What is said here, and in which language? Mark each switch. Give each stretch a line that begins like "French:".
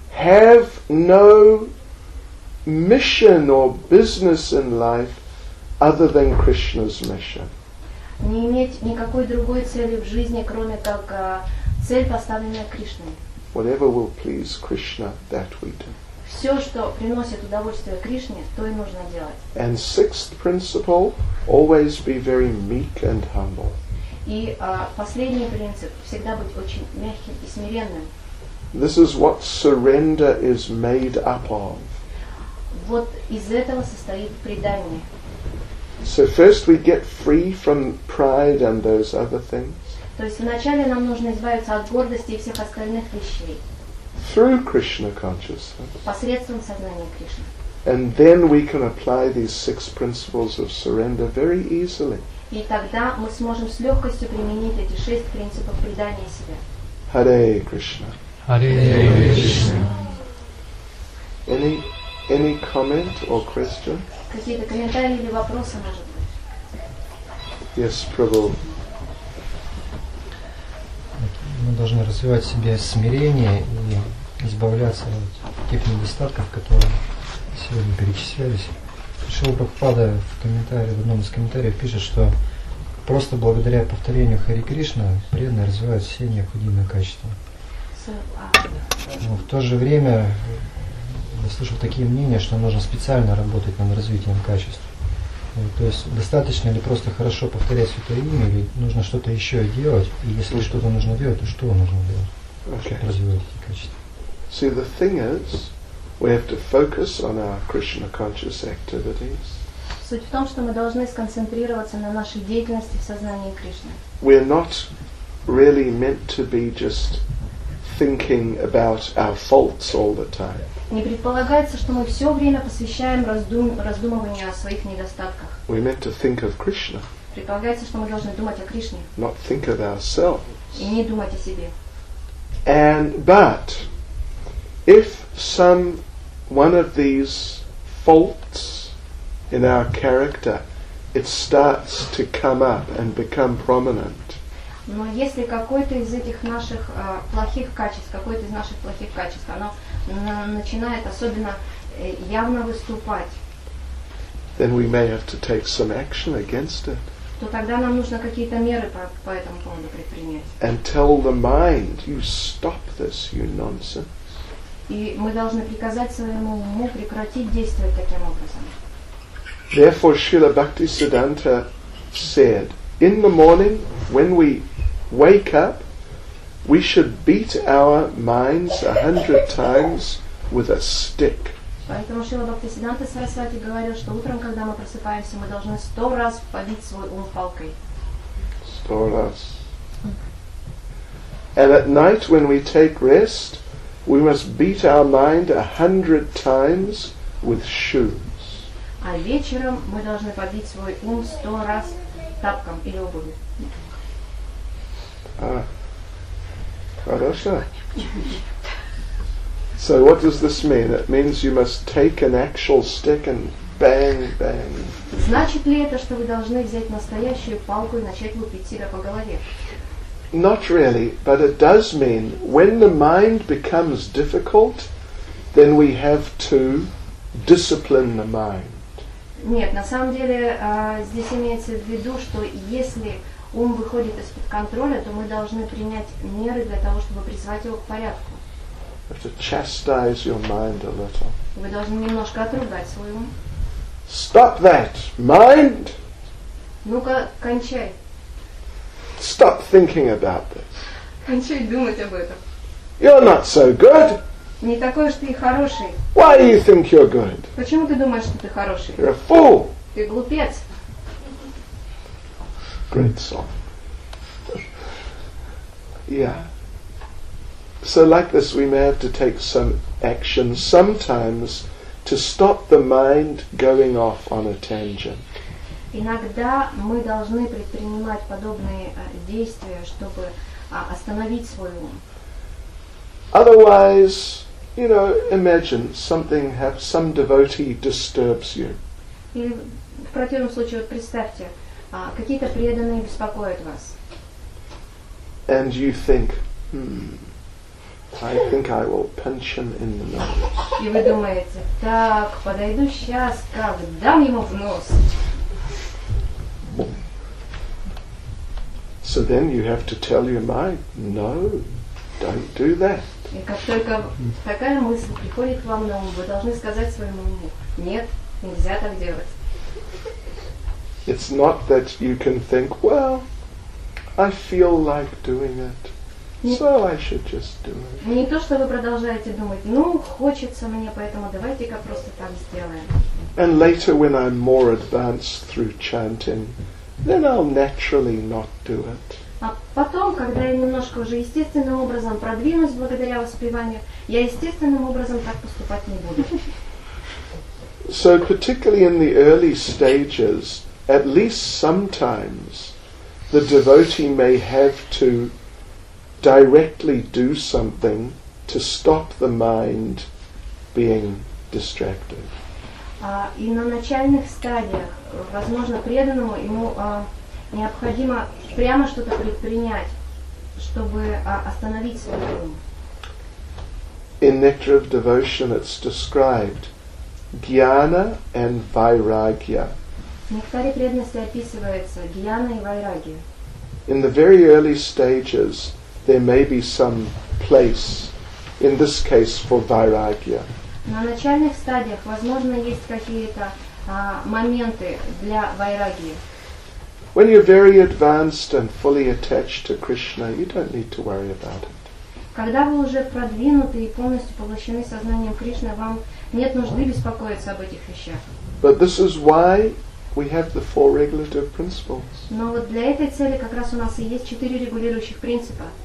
English: Have no mission or business in life other than Krishna's mission.
Russian: Не иметь никакой другой цели в жизни, кроме как цель, поставленная Кришной.
English: Whatever will please Krishna, that we do.
Russian: Все, что приносит удовольствие Кришне, то и нужно делать.
English: And sixth principle, always be very meek and humble.
Russian: И последний принцип, всегда быть очень мягким и смиренным.
English: This is what surrender is made up of.
Russian: Вот из этого состоит предание.
English: So first we get free from pride and those other things.
Russian: То есть вначале нам нужно избавиться от гордости и всех остальных вещей.
English: Through Krishna consciousness.
Russian: Посредством сознания Кришны.
English: And then we can apply these six principles of surrender very easily.
Russian: И тогда мы сможем с легкостью применить эти шесть принципов предания себя.
Sanskrit: Hare Krishna. Hare Krishna.
English: Any comment or question?
Russian: Какие-то комментарии или вопросы, может быть?
English: Yes, Prabhu.
Russian: Мы должны развивать в себе смирение и избавляться от тех недостатков, которые сегодня перечислялись. Шрила Прабхупада в комментарии, в одном из комментариев пишет, что просто благодаря повторению Хари Кришна преданные развивают все необходимые качества. Но в то же время я слышал такие мнения, что нужно специально работать над развитием качеств. То есть достаточно ли просто хорошо повторять святое имя, или нужно что-то еще делать, и если что-то нужно делать, то что нужно делать,
English: okay,
Russian: чтобы развивать эти качества?
English: See, the thing is, we have to focus on our Krishna conscious activities.
Russian: Суть в том, что мы должны сконцентрироваться на нашей деятельности в сознании Кришны.
English: We are not really meant to be just thinking about our faults all the time.
Russian: Не предполагается, что мы все время посвящаем раздумыванию о своих недостатках.
English: We meant to think of Krishna.
Russian: Предполагается, что мы должны думать о Кришне.
English: Not think of ourselves.
Russian: И не думать о себе.
English: And but if some one of these faults in our character, it starts to come up and become prominent.
Russian: Но если какой-то из этих наших плохих качеств, какой-то из наших плохих качеств, оно начинает особенно явно выступать,
English: then we may have to take some action against it.
Russian: То тогда нам нужно какие-то меры по этому поводу предпринять.
English: And tell the mind, you stop this, you nonsense.
Russian: И мы должны приказать своему уму прекратить действовать таким образом.
English: Therefore, Srila Bhaktisiddhanta said, in the morning, when we wake up, we should beat our minds 100 times with a stick.
Russian: Поэтому Шрила Бхактисиддханта Сарасвати говорил, что утром, когда мы просыпаемся, мы должны 100 раз побить свой ум палкой. 100 раз.
English: And at night, when we take rest, we must beat our mind 100 times with shoes.
Russian: А вечером мы должны побить свой ум 100 раз тапком или обувью. Хорошо.
English: So what does this mean? It means you must take an actual stick and bang, bang.
Russian: Значит ли это, что вы должны взять настоящую палку и начать лупить себя по голове?
English: Not really, but it does mean when the mind becomes difficult, then we have to discipline the mind.
Russian: Нет, на самом деле здесь имеется в виду, что если ум выходит из-под контроля, то мы должны принять меры для того, чтобы призвать его к порядку.
English: You have to chastise your mind a little.
Russian: Вы должны немножко отругать свой ум.
English: Stop that, mind!
Russian: Ну-ка, кончай.
English: Stop thinking about this.
Russian: Кончай думать об этом.
English: You're not so good.
Russian: Не такой уж ты и хороший.
English: Why do you think you're good?
Russian: Почему ты думаешь, что ты хороший?
English: You're a fool.
Russian: Ты глупец.
English: Great song. Yeah. So like this, we may have to take some action sometimes to stop the mind going off on a tangent.
Russian: Иногда мы должны предпринимать подобные действия, чтобы остановить свой ум.
English: Otherwise, you know, imagine something have some devotee disturbs you.
Russian: И в противном случае, вот представьте, какие-то преданные беспокоят вас.
English: And you think, I think I will punch him in the nose.
Russian: И вы думаете, так, подойду сейчас, как дам ему в нос.
English: So then you have to tell your mind, no, don't do that.
Russian: И как только такая мысль приходит к вам на ум, вы должны сказать своему уму, нет, нельзя так делать.
English: It's not that you can think, well, I feel like doing it, so I should just do it.
Russian: Не то, что вы продолжаете думать, ну, хочется мне, поэтому давайте-ка просто так сделаем.
English: And later when I'm more advanced through chanting, then I'll naturally not do it.
Russian: А потом, когда я немножко уже естественным образом продвинусь благодаря воспеванию, я естественным образом так поступать не буду.
English: So particularly in the early stages, at least sometimes the devotee may have to directly do something to stop the mind being distracted.
Russian: И на начальных стадиях, возможно, преданному ему необходимо прямо что-то предпринять, чтобы остановить свой ум.
English: In Nectar of Devotion it's described Jnana and Vairagya.
Russian: В Нектаре преданности описывается Jnana и Vairagya.
English: In the very early stages there may be some place, in this case, for Vairagya.
Russian: На начальных стадиях, возможно, есть какие-то моменты для вайраги.
English: When you're very advanced and fully attached to Krishna, you don't need to worry about it.
Russian: Когда вы уже продвинуты и полностью поглощены сознанием Кришны, вам нет нужды беспокоиться об этих вещах.
English: But this is why we have the four regulative principles.
Russian: Но вот для этой цели как раз у нас и есть четыре регулирующих принципа.